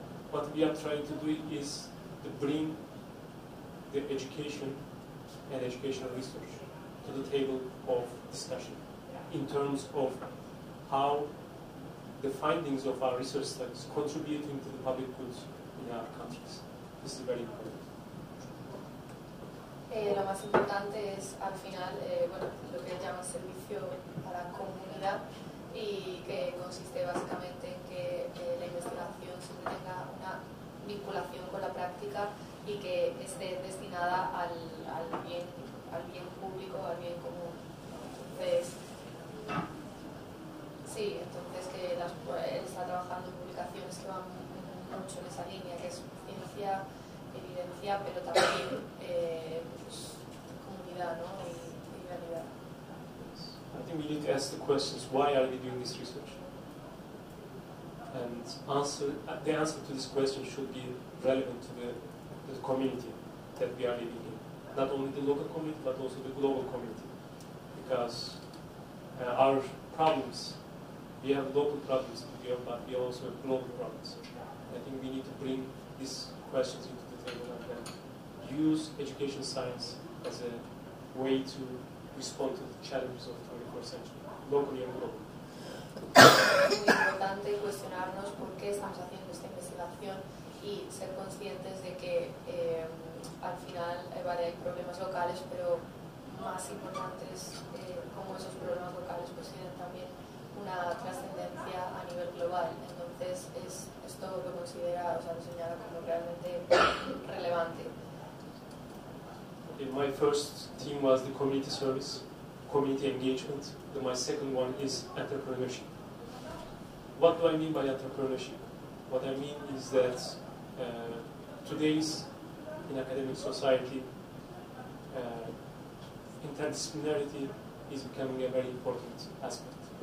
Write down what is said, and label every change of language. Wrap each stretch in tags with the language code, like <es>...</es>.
<en>What we are trying to do is to bring the education and educational research to the table of discussion in terms of how the findings of our research studies contributing to the public goods in our countries. This is very important.</en> <es>Lo más importante es al final bueno, lo que llaman servicio a la comunidad, y que consiste básicamente en que la investigación siempre tenga una vinculación con la práctica y que esté destinada al bien público, al bien común. Entonces, sí, entonces que él está trabajando en publicaciones que van mucho en esa línea, que es ciencia, evidencia, pero también pues, comunidad, ¿no? Y realidad.</es> <en>I think we need to ask the questions, why are we doing this research? And the answer to this question should be relevant to the community that we are living in. Not only the local community, but also the global community. Because our problems, we have local problems to deal, but we also have global problems. I think we need to bring these questions into the table and then use education science as a way to respond to the challenges of the 21st century, locally and globally.</en> <es>Es muy importante cuestionarnos por qué estamos haciendo esta investigación y ser conscientes de que al final vale, hay problemas locales, pero más importante es cómo esos problemas locales pues tienen también una trascendencia a nivel global. Entonces es todo lo que considera, o sea, lo señala como realmente relevante.</es> <en>Okay, my first theme was the community service, community engagement. My second one is entrepreneurship. What do I mean by entrepreneurship? What I mean is that today's in academic society, interdisciplinarity is becoming a very important aspect.</en>